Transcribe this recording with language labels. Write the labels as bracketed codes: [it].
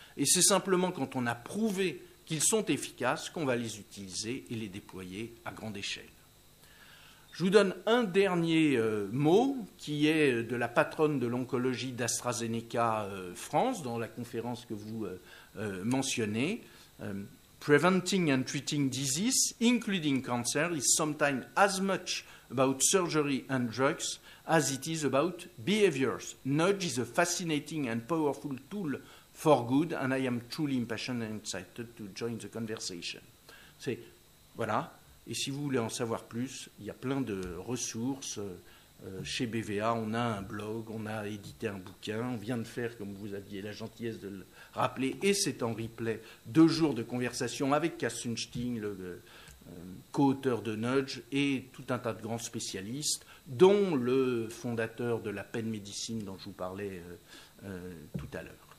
[fr] Et c'est simplement quand on a prouvé qu'ils sont efficaces qu'on va les utiliser et les déployer à grande échelle. Je vous donne un dernier mot qui est de la patronne de l'oncologie d'AstraZeneca France dans la conférence que vous mentionnez. [en] Preventing and treating disease, including cancer, is sometimes as much about surgery and drugs as it is about behaviors. Nudge is a fascinating and powerful tool for good, and I am truly impassioned and excited to join the conversation. [fr] C'est, voilà. Et si vous voulez en savoir plus, il y a plein de ressources chez BVA. On a un blog, on a édité un bouquin, on vient de faire, comme vous aviez la gentillesse de le rappeler, et c'est en replay, 2 jours de conversation avec Kasun Sting, le co-auteur de Nudge, et tout un tas de grands spécialistes, dont le fondateur de la peine médecine dont je vous parlais tout à l'heure.